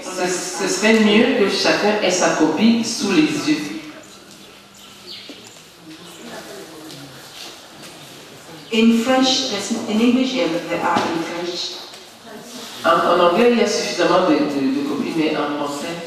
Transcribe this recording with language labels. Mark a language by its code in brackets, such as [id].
[fr] Ce serait mieux que chacun ait sa copie sous les yeux. [en] In French, in English, there are in French. [fr] En anglais, il y a suffisamment de copies, mais en français.